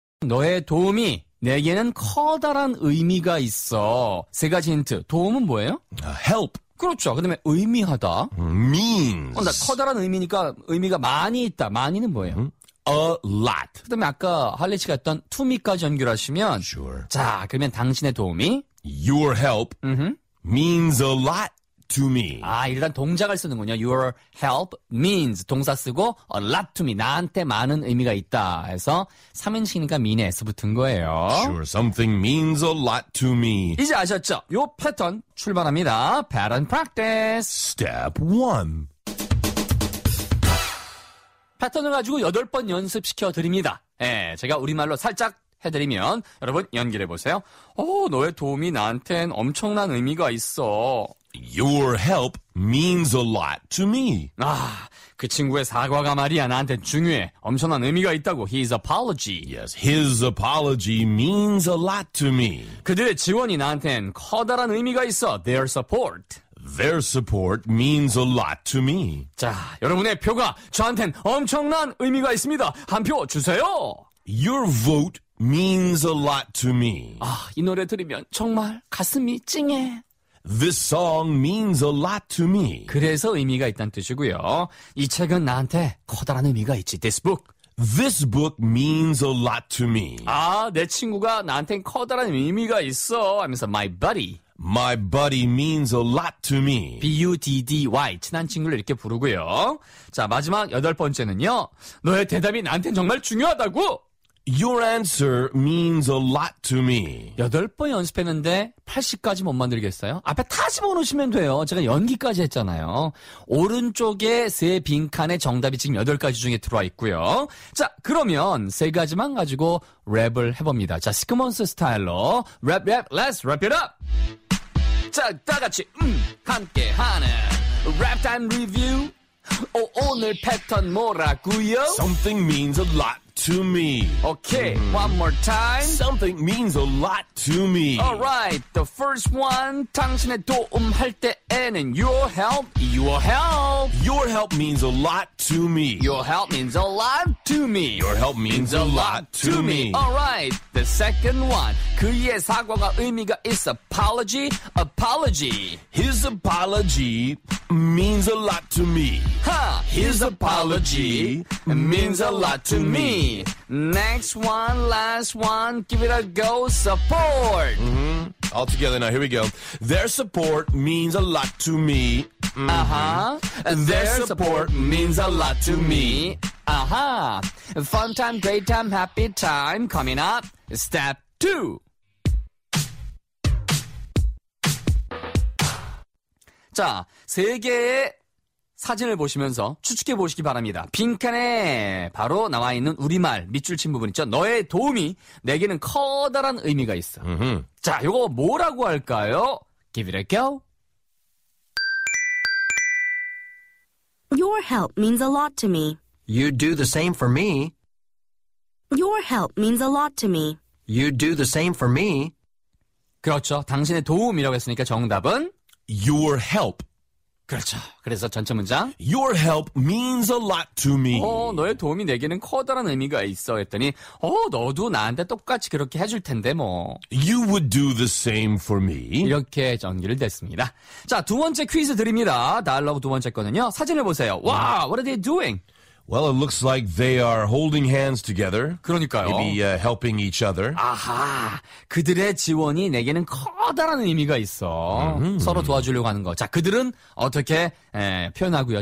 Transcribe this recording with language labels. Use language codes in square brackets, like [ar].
[ko] 너의 도움이 내게는 커다란 의미가 있어. 세 가지 힌트. 도움은 뭐예요? [en] Help. [ko] 그렇죠. 그 다음에 의미하다. [en] Means. [ko] 나 커다란 의미니까 의미가 많이 있다. 많이는 뭐예요? [en] A lot. [ko] 그 다음에 아까 할리 씨가 했던 [en] to me [ko] 까지 연결하시면. [en] Sure. [ko] 자, 그러면 당신의 도움이. [en] Your help means a lot to me. [ko] 아, 일단 동작을 쓰는군요. [en] Your help means. [ko] 동사 쓰고 [en] a lot to me. [ko] 나한테 많은 의미가 있다. 해서 3인칭이니까 mean에 S 붙은 거예요. [en] Sure, something means a lot to me. [ko] 이제 아셨죠? 요 패턴 출발합니다. [en] Pattern practice. Step 1. [ko] 패턴을 가지고 8번 연습시켜드립니다. 예, 제가 우리말로 살짝 해드리면 여러분 연결해보세요. 오, 너의 도움이 나한텐 엄청난 의미가 있어. [en] Your help means a lot to me. [ko] 아, 그 친구의 사과가 말이야 나한테 중요해. 엄청난 의미가 있다고. [en] His apology. Yes, his apology means a lot to me. [ko] 그들의 지원이 나한텐 커다란 의미가 있어. [en] Their support. Their support means a lot to me. [ko] 자, 여러분의 표가 저한텐 엄청난 의미가 있습니다. 한 표 주세요. [en] Your vote means a lot to me. [ko] 아, 이 노래 들으면 정말 가슴이 찡해. [en] This song means a lot to me. [ko] 그래서 의미가 있다는 뜻이고요. 이 책은 나한테 커다란 의미가 있지. [en] This book. This book means a lot to me. [ko] 아, 내 친구가 나한테 커다란 의미가 있어. 하면서 [en] my buddy. My buddy means a lot to me. [ko] B-U-D-D-Y, 친한 친구를 이렇게 부르고요. 자, 마지막 여덟 번째는요. 너의 대답이 나한테 정말 중요하다고. [en] Your answer means a lot to me. [ko] 여덟 번 연습했는데 80까지 못 만들겠어요? 앞에 다 집어넣으시면 돼요. 제가 연기까지 했잖아요. 오른쪽에 세 빈칸에 정답이 지금 여덟 가지 중에 들어와 있고요. 자, 그러면 세 가지만 가지고 랩을 해봅니다. 자, 시크먼스 스타일로 랩, 랩, [en] let's wrap it up! [ko] 자, 다 같이 함께하는 랩 타임 리뷰. 오, 오늘 패턴 뭐라고요? [en] Something means a lot to me. Okay, one more time. Something means a lot to me. All right, the first one. [ko] 당신의 도움 할 때에는 [en] your help, your help. Your help means a lot to me. Your help means a lot to me. Your help means a lot to me. All right, the second one. [ko] 그의 사과가 의미가 있어. [en] Apology, apology. His apology means a lot to me. Ha! His apology means a lot to me. Next one, last one, give it a go, support. Mm-hmm. All together now, here we go. Their support means a lot to me. Mm-hmm. Uh-huh. Their support means a lot to me. Uh-huh. Fun time, great time, happy time, coming up, step two. [ko] 자, 세 개의 사진을 보시면서 추측해 보시기 바랍니다. 빈칸에 바로 나와 있는 우리말 밑줄 친 부분 있죠. 너의 도움이 내게는 커다란 의미가 있어. 자, 이거 뭐라고 할까요? [en] Give it a go. Your help means a lot to me. You do the same for me. Your help means a lot to me. You do the same for me. [ko] 그렇죠. 당신의 도움이라고 했으니까 정답은 [en] Your help. [ko] 그렇죠. 그래서 전체 문장. [en] Your help means a lot to me. [ko] 어, 너의 도움이 내게는 커다란 의미가 있어 했더니 어, 너도 나한테 똑같이 그렇게 해줄 텐데 뭐. [en] You would do the same for me. [ko] 이렇게 정리를 됐습니다. 자, 두 번째 퀴즈 드립니다. 다이얼로그 두 번째 거는요. 사진을 보세요. 와, [en] what are they doing? Well, it looks like they are holding hands together. [ko] 그러니까요. [en] Maybe helping each other. [ko] 아하, 그들의 지원이 내게는 커다란 의미가 있어. Mm-hmm. 서로 도와주려고 하는 거. 자, 그들은 어떻게 표현하고요.